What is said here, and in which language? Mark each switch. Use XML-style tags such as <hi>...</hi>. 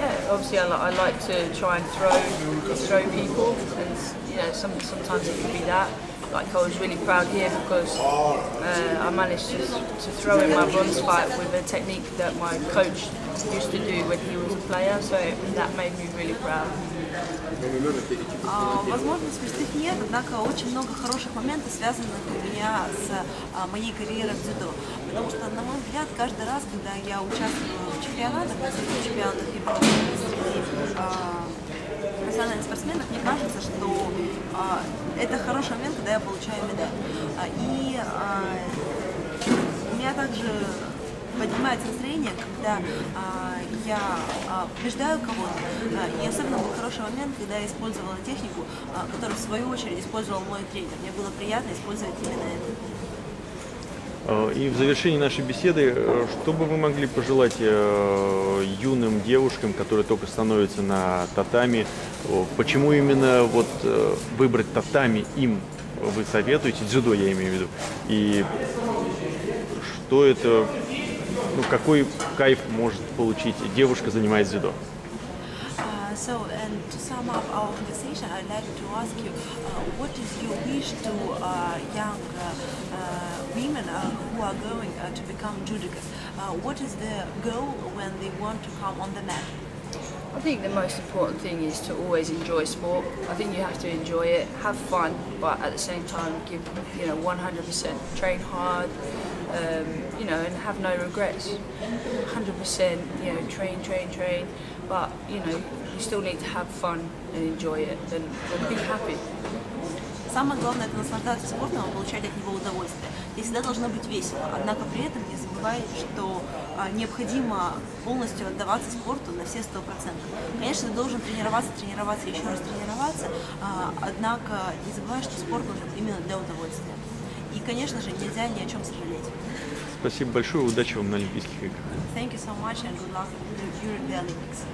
<en>Obviously I like to try and throw people, and sometimes it can be that. Like, I was really proud here because I managed to throw in my bronze fight with a technique that my coach used to do when he was a player, so that made me really proud.</en> <ru>Возможно, смешных нет, однако очень много хороших моментов, связанных у меня с моей карьерой в дзюдо. Потому что, на мой взгляд, каждый раз, когда я участвую в чемпионатах, профессиональных спортсменов, мне кажется, что это хороший момент, когда я получаю медаль. И у меня также поднимается настроение, когда я побеждаю кого-то. И особенно был хороший момент, когда я использовала технику, которую в свою очередь использовал мой тренер. Мне было приятно использовать именно это. И в завершении нашей беседы, что бы вы могли пожелать юным девушкам, которые только становятся на татами? Почему именно вот выбрать татами им вы советуете? Дзюдо, я имею в виду. И что это, какой кайф может получить девушка, занимаясь дзюдо?</ru> <en>So, and to sum up our conversation, I'd like to ask you, what is your wish to young women who are going to become judokas? What is their goal when they want to come on the mat? I think the most important thing is to always enjoy sport. I think you have to enjoy it, have fun, but at the same time give 100%, train hard, and have no regrets. 100%, train, but you still need to have fun and enjoy it, then be happy.</en> <ru>Самое главное – это наслаждаться спортом и получать от него удовольствие. И всегда должно быть весело, однако при этом не забывай, что необходимо полностью отдаваться спорту на все 100%. Конечно, ты должен тренироваться, еще раз тренироваться, однако не забывай, что спорт нужен именно для удовольствия. И, конечно же, нельзя ни о чем сожалеть. Спасибо большое, удачи вам на Олимпийских играх.</ru> <en>Thank you so much and good luck during the Olympics.</en>